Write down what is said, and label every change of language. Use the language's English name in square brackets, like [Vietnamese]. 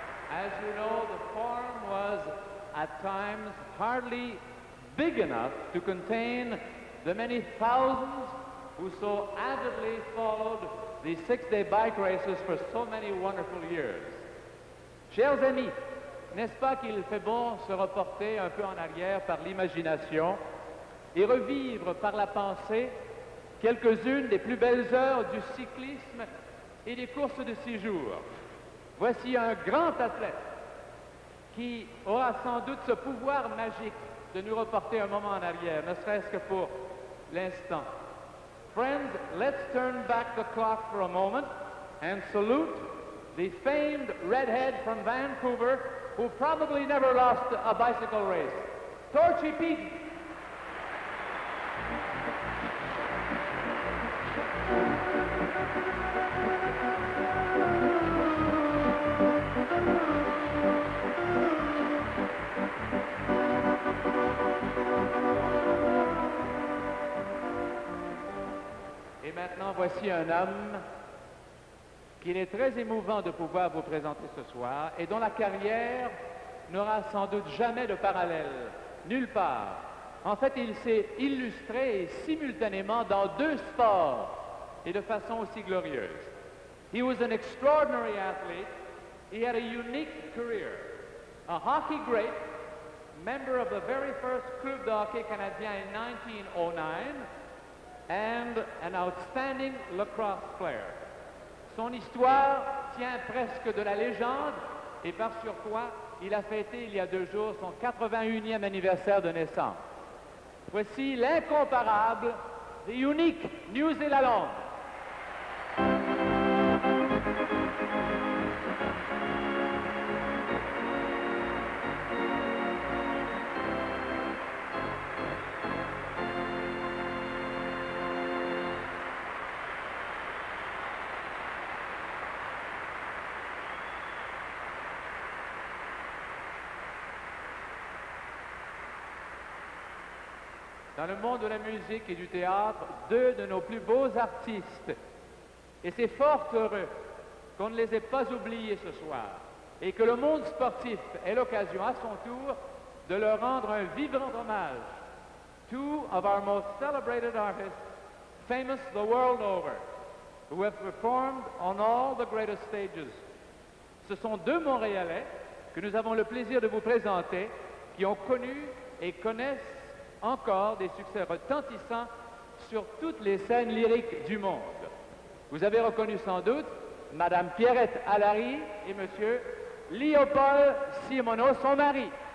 [English] As you know, the forum was at times hardly big enough to contain the many thousands who so avidly followed the six-day bike races for so many wonderful years. [French] Chers amis, n'est-ce pas qu'il fait bon se reporter un peu en arrière par l'imagination et revivre par la pensée quelques-unes des plus belles heures du cyclisme et des courses de six jours? Voici un grand athlète qui aura sans doute ce pouvoir magique de nous reporter un moment en arrière, ne serait-ce que pour l'instant. [English] Friends, let's turn back the clock for a moment and salute the famed redhead from Vancouver who probably never lost a bicycle race, Torchy Pete. [French] Maintenant, voici un homme qu'il est très émouvant de pouvoir vous présenter ce soir et dont la carrière n'aura sans doute jamais de parallèle, nulle part. En fait, il s'est illustré simultanément dans deux sports et de façon aussi glorieuse. [English] He was an extraordinary athlete. He had a unique career. A hockey great, member of the very first club de hockey canadien in 1909, and an outstanding lacrosse player. [French] Son histoire tient presque de la légende, et par surcroît, il a fêté il y a deux jours son 81e anniversaire de naissance. Voici l'incomparable, [English] the unique [French] New Zealand. Dans le monde de la musique et du théâtre, deux de nos plus beaux artistes, et c'est fort heureux qu'on ne les ait pas oubliés ce soir, et que le monde sportif ait l'occasion à son tour de leur rendre un vivant hommage. [English] Two of our most celebrated artists, famous the world over, who have performed on all the greatest stages. [French] Ce sont deux Montréalais que nous avons le plaisir de vous présenter, qui ont connu et connaissent encore des succès retentissants sur toutes les scènes lyriques du monde. Vous avez reconnu sans doute Madame Pierrette Allary et Monsieur Léopold Simoneau, son mari.